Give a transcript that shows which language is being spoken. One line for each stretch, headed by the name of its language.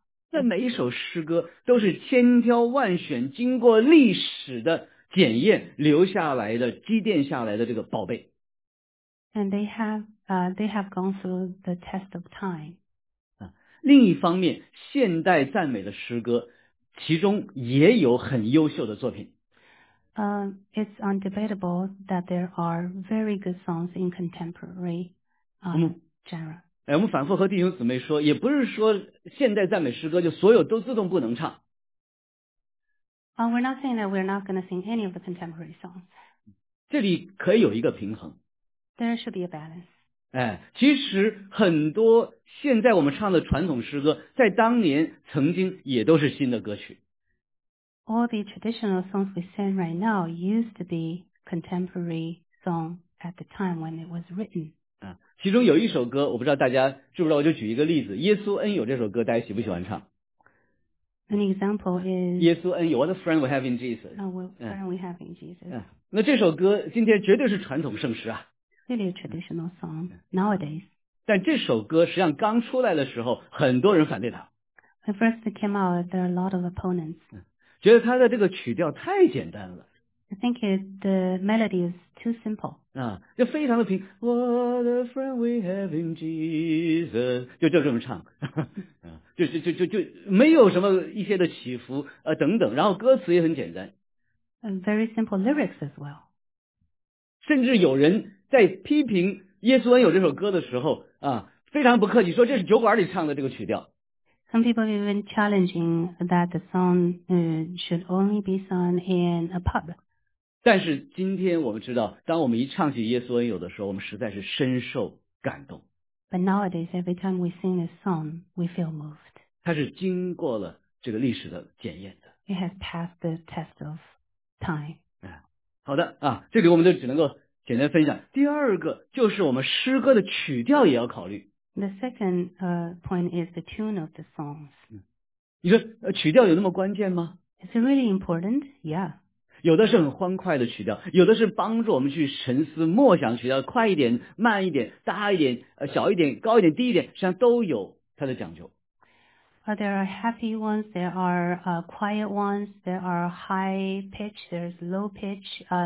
Chinese: 那每一首诗歌都是千挑万选，经过历史的检验留下来的，积淀下来的这个宝贝。
English: And they have gone through the test of time.
Chinese: 另一方面，现代赞美的诗歌其中也有很优秀的作品。
English: It's undebatable that there are very good songs in contemporary genre.
Chinese: 哎，我们反复和弟兄姊妹说，也不是说现代赞美诗歌就所有都自动不能唱。
English: We're not saying that we're not going to sing any of the contemporary songs.
Chinese: 这里可以有一个平衡。
English: There should be a balance.
Chinese: 哎，其实很多现在我们唱的传统诗歌，在当年曾经也都是新的歌曲。
English: All the traditional songs we sing right now used to be contemporary song at the time when it was written.
Chinese: 啊，其中有一首歌，我不知道大家知不知道，我就举一个例子，《耶稣恩友》这首歌，大家喜不喜欢唱？
English: An example is 耶稣恩友 ，What a friend we have in Jesus. What a friend we have in Jesus.
Chinese: 那这首歌今天绝对是传统圣诗啊。
English: Really a traditional song nowadays.
Chinese: 但这首歌实际上刚出来的时候，很多人反对它。
English: When first it came out, there are a lot of opponents.
Chinese: 觉得它的这个曲调太简单了。
English: I think the melody is too simple.
Chinese: 啊，就非常的平。
English: What a friend we have in Jesus.
Chinese: 就这么唱。就没有什么一些的起伏等等，然后歌词也很简单。
English: Very simple lyrics as well.
Chinese: 甚至有人在批评耶稣恩友这首歌的时候啊，非常不客气，说这是酒馆里唱的这个曲调。
English: Some people even challenging that the song should only be sung in a pub.
Chinese: 但是今天我们知道，当我们一唱起耶稣恩友的时候，我们实在是深受感动。
English: But nowadays, every time we sing this song, we feel moved.
Chinese: 它是经过了这个历史的检验的。
English: It has passed the test of time.
Chinese: 好的啊，这里我们就只能够简单分享。第二个就是我们诗歌的曲调也要考虑。
English: The second point is the tune of the songs.
Chinese: 你说曲调有那么关键吗？
English: Is it really important? Yeah.
Chinese: 有的是很欢快的曲调，有的是帮助我们去沉思默想曲调，快一点、慢一点、大一点、小一点、高一点、低一点，实际上都有它的讲究。
English: There are happy ones, there are quiet ones, there are high pitch, there's low pitch.